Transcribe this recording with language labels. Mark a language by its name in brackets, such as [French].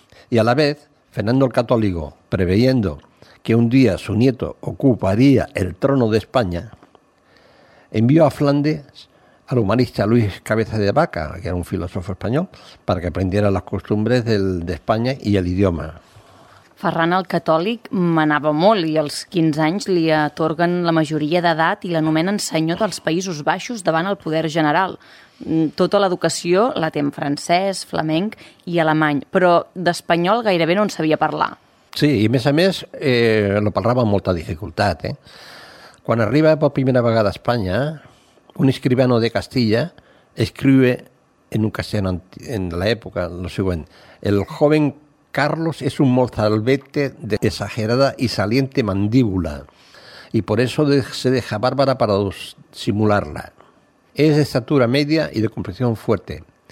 [Spanish] Y a la vez, Fernando el Católico, preveyendo que un día su nieto ocuparía el trono de España, envió a Flandes al humanista Luis Cabeza de Vaca, que era un filósofo español, para que aprendiera las costumbres de España y el idioma. [Catalan] Ferran el Catòlic manava molt i als 15 anys li atorguen la majoria d'edat i l'anomenen senyor dels Països Baixos davant el poder general. Tota l'educació la té en francès, flamenc i alemany, però d'espanyol gairebé no en sabia parlar. Sí, i a més lo parlava amb molta dificultat. Quan arriba per primera vegada a Espanya, [Spanish] un escribano de Castilla escribe en un castellano en la época lo siguiente: el joven Carlos es un mozalbete de exagerada y saliente mandíbula y por eso se deja bárbara para simularla. Es de estatura media y de complexión fuerte.